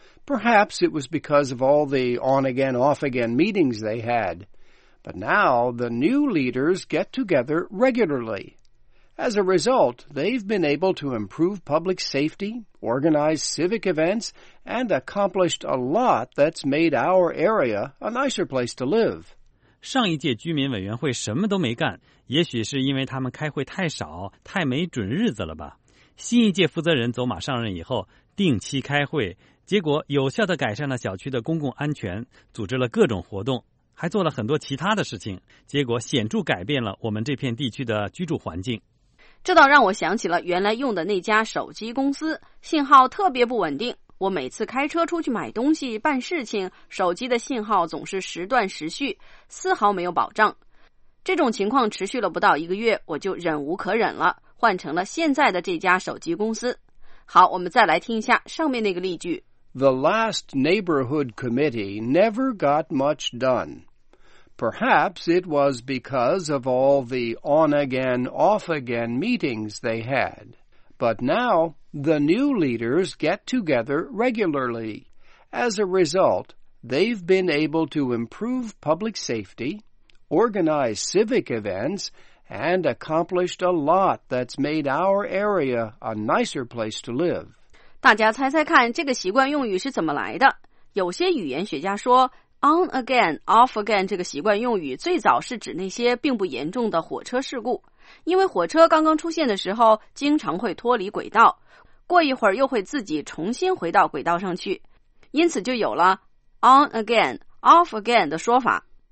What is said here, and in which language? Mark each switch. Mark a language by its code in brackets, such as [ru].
[en] Perhaps it was because of all the on-again, off-again meetings they had. But now the new leaders get together regularly. As a result, they've been able to improve public safety, organize civic events, and accomplished a lot that's made our area a nicer place to live. [zh] 上一届居民委员会什么都没干，也许是因为他们开会太少，太没准日子了吧。新一届负责人走马上任以后，定期开会，结果有效地改善了小区的公共安全，组织了各种活动，还做了很多其他的事情，结果显著改变了我们这片地区的居住环境。这倒让我想起了原来用的那家手机公司，信号特别不稳定，我每次开车出去买东西办事情，手机的信号总是时断时续，丝毫没有保障。这种情况持续了不到一个月，我就忍无可忍了，换成了现在的这家手机公司。好，我们再来听一下上面那个例句。 [en] The last neighborhood committee never got much done. Perhaps it was because of all the on-again, off-again meetings they had. But now, the new leaders get together regularly. As a result, they've been able to improve public safety, organize civic events, and accomplished a lot that's made our area a nicer place to live. [zh] 大家猜猜看这个习惯用语是怎么来的？有些语言学家说 on again, off again 这个习惯用语最早是指那些并不严重的火车事故。因为火车刚刚出现的时候经常会脱离轨道，过一会儿又会自己重新回到轨道上去，因此就有了 on again, off again 的说法。